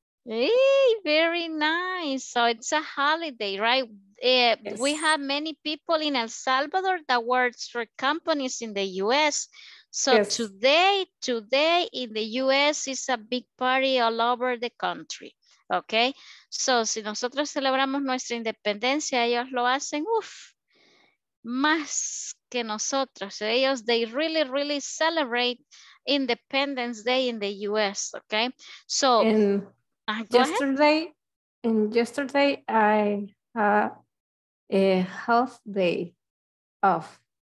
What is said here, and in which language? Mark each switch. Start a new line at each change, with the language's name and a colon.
English: Hey, very nice. So it's a holiday, right? Yes. We have many people in El Salvador that works for companies in the US. So yes. today in the US is a big party all over the country. Okay.
Spanish: So si nosotros celebramos nuestra independencia, ellos lo hacen, uff, más que nosotros.
English: Ellos, they really, really celebrate Independence Day in the US. Okay. So yesterday I a half day off.